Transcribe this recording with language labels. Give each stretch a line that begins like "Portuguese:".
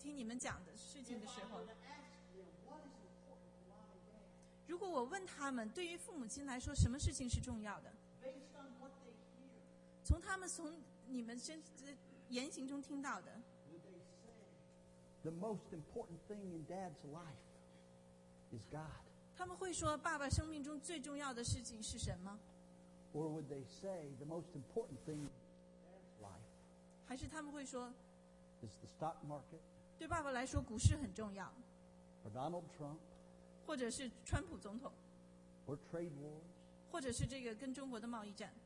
Chinese: 当你的孩子坐在这个第二个椅子上听你们讲的事情的时候,
English: them,
Chinese: 如果我问他们, 对于父母亲来说, 什么事情是重要的?
English: Based on what they hear,
Chinese: 从他们从你们言行中听到的,
English: would they say, the most important thing in Dad's life is God?
Chinese: 他们会说爸爸生命中最重要的事情是什么?
English: Or would they say the most important thing in life?
Chinese: 还是他们会说,
English: is the stock market?
Chinese: 对爸爸来说股市很重要,
English: or Donald Trump?
Chinese: 或者是川普总统,
English: or trade wars?
Chinese: 或者是这个跟中国的贸易战,